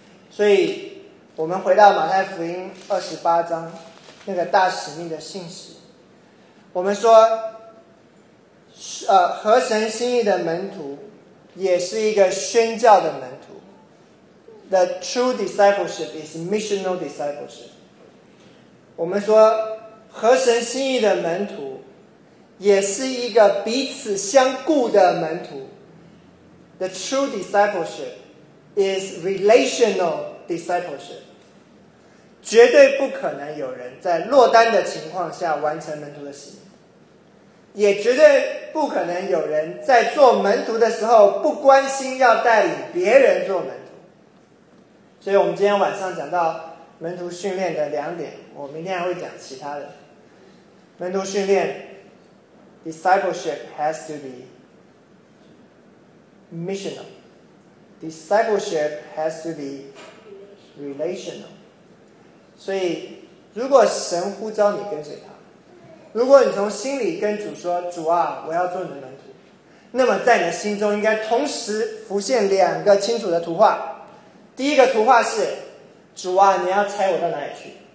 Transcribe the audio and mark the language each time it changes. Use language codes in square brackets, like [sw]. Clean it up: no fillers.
[zh] 所以我们回到马太福音28章那个大使命的信息，我们说合神心意的门徒也是一个宣教的门徒。 [en] The true discipleship is missional discipleship。 [zh] 我们说合神心意的门徒也是一个彼此相顾的门徒。 [en] The true discipleship is relational discipleship. [zh] 绝对不可能有人在落单的情况下完成门徒的使命，也绝对不可能有人在做门徒的时候不关心要带领别人做门徒。所以我们今天晚上讲到门徒训练的两点，我明天还会讲其他的。门徒训练 [en] discipleship has to be missional. Discipleship has to be relational. [zh] 所以如果神呼召你跟随他，如果你从心里跟主说，主啊，我要做你的门徒，那么在你的心中应该同时浮现两个清楚的图画。第一个图画是，主啊，你要差我到哪里去？